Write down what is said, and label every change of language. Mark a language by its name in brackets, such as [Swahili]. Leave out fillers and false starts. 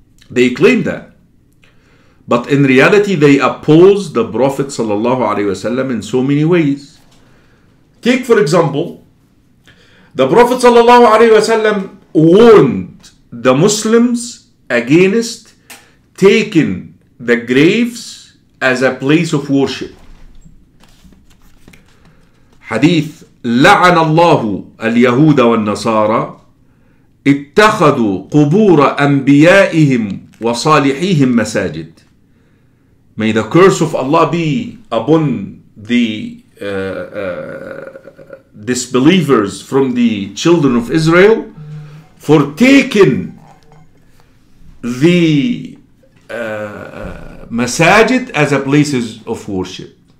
[English] They claim that, but in reality they oppose the Prophet sallallahu alaihi wasallam in so many ways. Take for example, the Prophet sallallahu alaihi wasallam warned the Muslims against taking the graves as a place of worship. [Arabic] Hadith, لعن الله اليهود والنصارى اتخذوا قبور أنبيائهم وصالحيهم مساجد. [English] May the curse of Allah be upon the disbelievers from the children of Israel for taking the masajid as a places of worship.